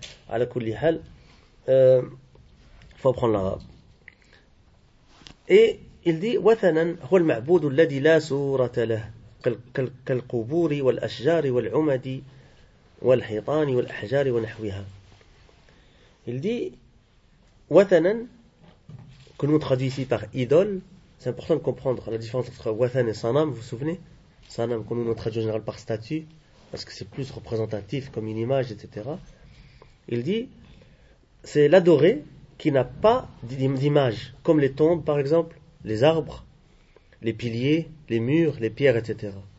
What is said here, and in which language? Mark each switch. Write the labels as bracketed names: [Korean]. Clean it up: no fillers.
[Arabic] À la kulli hal, [French] faut apprendre l'arabe. Et il dit [Arabic] وثنا هو المعبود الذي لا صورة له كالقبور والأشجار والعمد والحيطان والأحجار ونحوها. [French] Il dit وثنا, que nous traduisons ici par idole. C'est important de comprendre la différence entre وثن et sanam. Vous vous souvenez, sanam que nous traduisons en général par statue parce que c'est plus représentatif comme une image, etc. Il dit c'est l'adoré qui n'a pas d'image, comme les tombes par exemple, les arbres, les piliers, les murs, les pierres, etc.